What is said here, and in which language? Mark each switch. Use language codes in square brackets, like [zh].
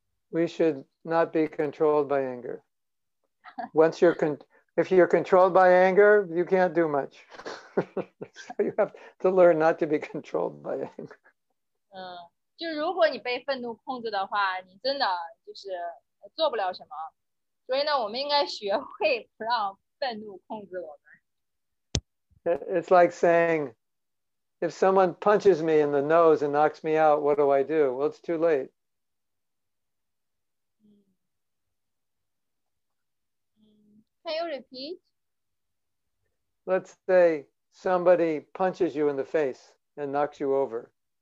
[en] We should not be controlled by anger. Once you're if you're controlled by anger, you can't do much. So you have to learn not to be controlled by anger. [zh] 就如果你被愤怒控制的话，你真的就是做不了什么。所以呢，我们应该学会不让愤怒控制我们。 [en] It's like saying, if someone punches me in the nose and knocks me out, what do I do? Well, it's too late. 嗯，Can you repeat? Let's say somebody punches you in the face and knocks you over.